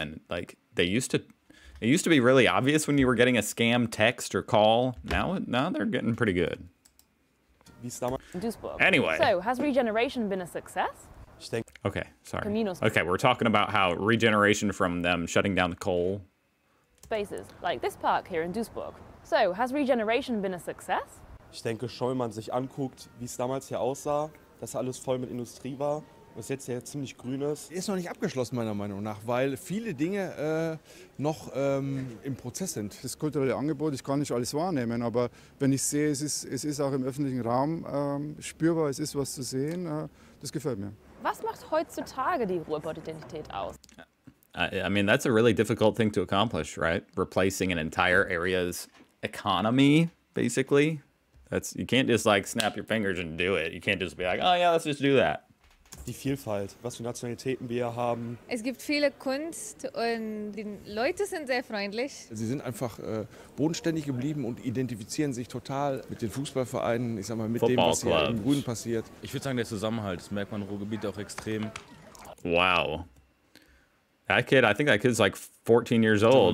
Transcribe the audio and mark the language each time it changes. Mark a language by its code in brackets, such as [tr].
[en] And, like, it used to be really obvious when you were getting a scam text or call. Now they're getting pretty good. Anyway. So, has regeneration been a success? Okay, sorry. Okay, we're talking about how regeneration from them shutting down the coal. Spaces, like this park here in Duisburg. So, has regeneration been a success? [de] Ich denke, Scheumann sich anguckt, wie es damals hier aussah, dass alles voll mit Industrie war, was jetzt ja ziemlich grün ist. Ist noch nicht abgeschlossen, meiner Meinung nach, weil viele Dinge noch im Prozess sind. Das kulturelle Angebot, ich kann nicht alles wahrnehmen, aber wenn ich sehe, es ist auch im öffentlichen Raum spürbar, es ist was zu sehen, das gefällt mir. Was macht heutzutage die Ruhrpott-Identität aus? [en] I mean, that's a really difficult thing to accomplish, right? Replacing an entire area's economy, basically. That's, you can't just like snap your fingers and do it. You can't just be like, oh yeah, let's just do that. [de] Die Vielfalt, was für Nationalitäten wir haben. Es gibt viele Kunst und die Leute sind sehr freundlich. Sie sind einfach bodenständig geblieben und identifizieren sich total mit den Fußballvereinen, ich sag mal, mit dem, was hier im Grünen passiert. Ich würde sagen, der Zusammenhalt, das merkt man im Ruhrgebiet auch extrem. [en] Wow. That kid, I think that kid's like 14 years old.